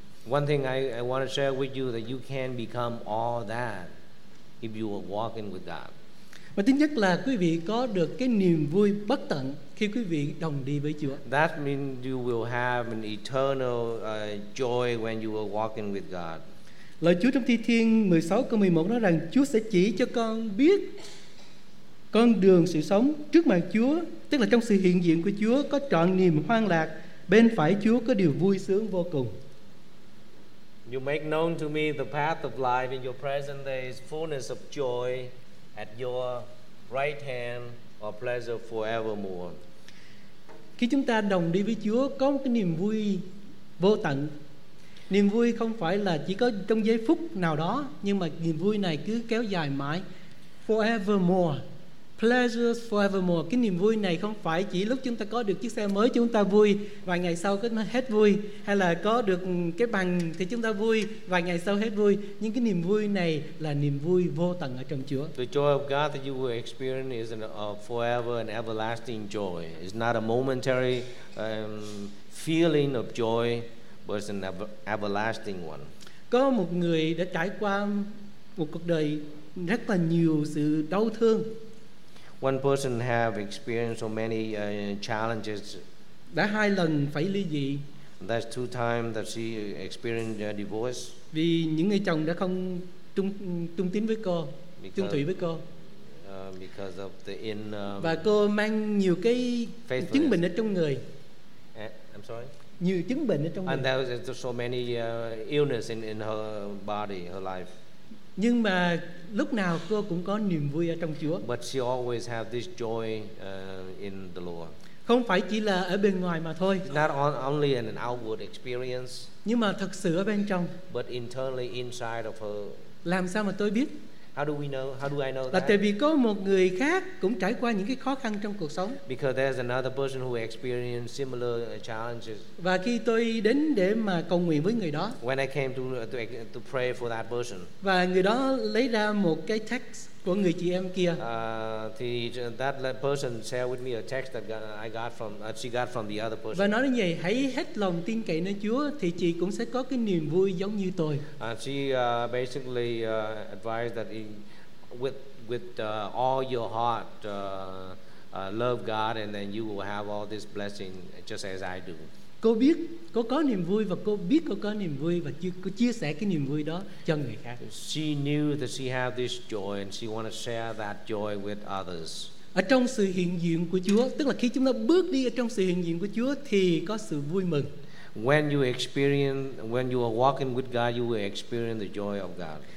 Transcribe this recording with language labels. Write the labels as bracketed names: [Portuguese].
[English] One thing I want to share with you that you can become all that if you are walking with God. [Vietnamese] Và thứ nhất là quý vị có được cái niềm vui bất tận khi quý vị đồng đi với Chúa. [English] That means you will have an eternal joy when you are walking with God. [Vietnamese] Lời Chúa trong Thi Thiên 16 câu 11 nói rằng Chúa sẽ chỉ cho con biết con đường sự sống trước mặt Chúa, tức là trong sự hiện diện của Chúa có trọn niềm hoan lạc, bên phải Chúa có điều vui sướng vô cùng. [English] You make known to me the path of life, in your presence there is fullness of joy, at your right hand are pleasure forevermore. [Vietnamese] Khi chúng ta đồng đi với Chúa có một cái niềm vui vô tận. Niềm vui không phải là chỉ có trong giây phút nào đó, nhưng mà niềm vui này cứ kéo dài mãi, forevermore. [English] Pleasures forevermore. [Vietnamese] Cái niềm vui này không phải chỉ lúc chúng ta có được chiếc xe mới chúng ta vui, vài ngày sau nó hết vui, hay là có được cái bằng thì chúng ta vui, vài ngày sau hết vui. Nhưng cái niềm vui này là niềm vui vô tận ở trong Chúa. [English] The joy of God that you will experience is a forever and everlasting joy. It's not a momentary feeling of joy, but it's an everlasting one. [Vietnamese] Có một người đã trải qua một cuộc đời rất là nhiều sự đau thương. [English] One person have experienced so many challenges. [Vietnamese] Đã hai lần phải ly dị. [English] That's two times that she experienced a divorce. [Vietnamese] Vì những người chồng đã không trung tín với cô, trung thủy với cô. [English] Because of the in [Vietnamese] và cô mang nhiều cái chứng bệnh ở trong người. [English] I'm sorry. [Vietnamese] Nhiều chứng bệnh ở trong mình. [English] And there was so many illness in her body, her life. [Vietnamese] Nhưng mà lúc nào cô cũng có niềm vui ở trong Chúa. [English] But she always have this joy in the Lord. [Vietnamese] Không phải chỉ là ở bên ngoài mà thôi. [English] Not only an outward experience. [Vietnamese] Nhưng mà thật sự ở bên trong. [English] But internally inside of her. [Vietnamese] Làm sao mà tôi biết? [English] How do we know? How do I know that? [Vietnamese] Là tại vì có một người khác cũng trải qua những cái khó khăn trong cuộc sống. [English] Because there's another person who experienced similar challenges. [Vietnamese] Và khi tôi đến để mà cầu nguyện với người đó. [English] When I came to pray for that person. [Vietnamese] Và người đó lấy ra một cái text của người chị em kia. [English] Thì that person shared with me a text that I got from she got from the other person. [Vietnamese] Và nói như vậy, hãy hết lòng tin cậy nơi Chúa thì chị cũng sẽ có cái niềm vui giống như tôi. [English] She basically advised that with all your heart love God and then you will have all this blessing just as I do. [Vietnamese] Cô biết cô có niềm vui và cô biết cô có niềm vui và cô chia sẻ cái niềm vui đó cho người khác. [English] She knew that she had this joy and she wanted to share that joy with others. [Vietnamese] Ở trong sự hiện diện của Chúa, tức là khi chúng ta bước đi ở trong sự hiện diện của Chúa thì có sự vui mừng. [English] When you are walking with God, you will experience the joy of God.